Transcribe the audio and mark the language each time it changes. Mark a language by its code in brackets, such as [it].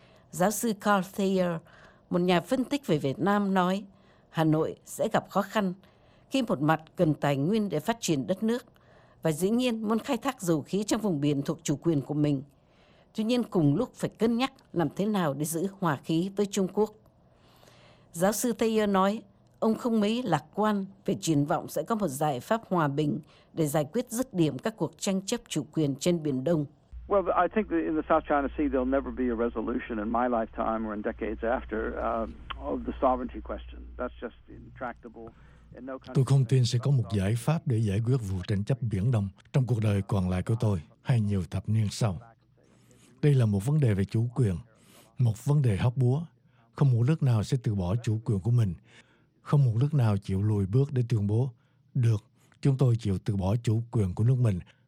[vi] Giáo sư Carl Thayer, một nhà phân tích về Việt Nam nói, Hà Nội sẽ gặp khó khăn khi một mặt cần tài nguyên để phát triển đất nước và dĩ nhiên muốn khai thác dầu khí trong vùng biển thuộc chủ quyền của mình. Tuy nhiên cùng lúc phải cân nhắc làm thế nào để giữ hòa khí với Trung Quốc. Giáo sư Thayer nói, ông không mấy lạc quan về triển vọng sẽ có một giải pháp hòa bình để giải quyết dứt điểm các cuộc tranh chấp chủ quyền trên Biển Đông. [en] Well, I think in the South China Sea there'll never be a resolution in my lifetime or in decades after of the sovereignty question. That's just intractable. [vi] Tôi không tin sẽ có một giải pháp để giải quyết vụ tranh chấp Biển Đông trong cuộc đời còn lại của tôi hay nhiều thập niên sau. Đây là một vấn đề về chủ quyền, một vấn đề hóc búa. Không một nước nào sẽ từ bỏ chủ quyền của mình. Không một nước nào chịu lùi bước để tuyên bố, được, chúng tôi chịu từ bỏ chủ quyền của nước mình.